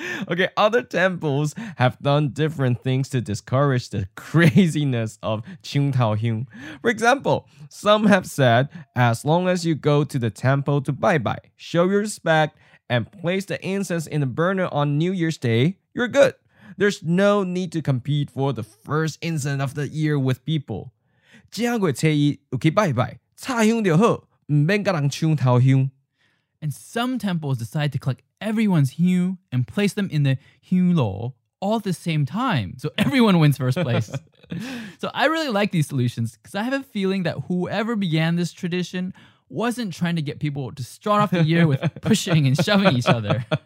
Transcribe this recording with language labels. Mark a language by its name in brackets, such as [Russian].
[English] Okay, other temples have done different things to discourage the craziness of 清桃香. For example, some have said, as long as you go to the temple to bye bye, show your respect, and place the incense in the burner on New Year's Day, you're good. There's no need to compete for the first incense of the year with people. [Min Nan Chinese] 今月初一有去拜拜，插香就好，唔免甲人抢头香。 [English] And some temples decide to collect everyone's hue and place them in the hue lo all at the same time, so everyone wins first place. So I really like these solutions because I have a feeling that whoever began this tradition wasn't trying to get people to start off the year with pushing and shoving each other.